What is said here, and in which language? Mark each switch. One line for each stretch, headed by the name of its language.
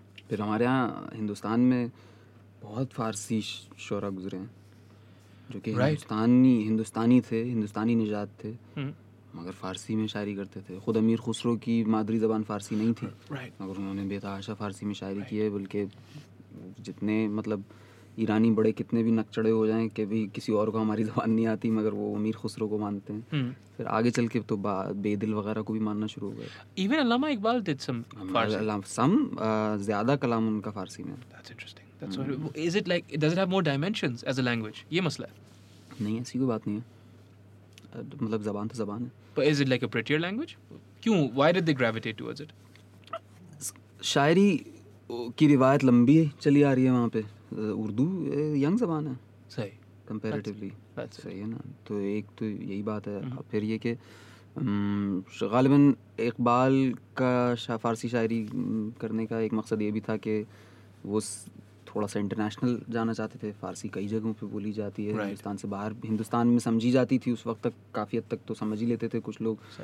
Hindi: Phir humare yahan Hindustan mein बहुत फारसी शोरा गुजरे हैं जो कि हिंदुस्तानी थे हिंदुस्तानी निजात थे मगर फारसी में शायरी करते थे खुद अमीर खुसरो की मादरी ज़बान फारसी नहीं थी मगर उन्होंने बेतहाशा फारसी में शायरी की है बल्कि जितने मतलब ईरानी बड़े कितने भी नकचड़े हो जाएं कि भी किसी और को हमारी ज़बान नहीं आती मगर वो अमीर खुसरो को मानते हैं फिर आगे चल के तो बेदिल वगैरह को भी मानना शुरू हो गए
English: even Allama Iqbal did some Farsi
Hindi: सम ज्यादा कलाम उनका फारसी में
English: That's what it, is it like, does it have more dimensions as a language?
Hindi: ये मसला है। नहीं ऐसी कोई बात नहीं है। मतलब ज़बान तो ज़बान है।
English: But is it like a prettier language?
Hindi: क्यों?
English: Why did they gravitate towards it?
Hindi: शायरी की रिवायत लंबी चली आ रही है वहाँ पे। उर्दू यंग ज़बान है। सही।
English: Comparatively। That's
Hindi: सही है ना। तो एक तो यही बात है। फिर ये कि ग़ालिबन इकबाल का फ़ारसी शायरी करने का एक मकसद ये भी था कि वो थोड़ा सा इंटरनेशनल जाना चाहते थे फारसी कई जगहों पे बोली जाती है हिंदुस्तान से बाहर हिंदुस्तान में समझी जाती थी उस वक्त तक काफ़ी हद तक तो समझ ही लेते थे कुछ लोग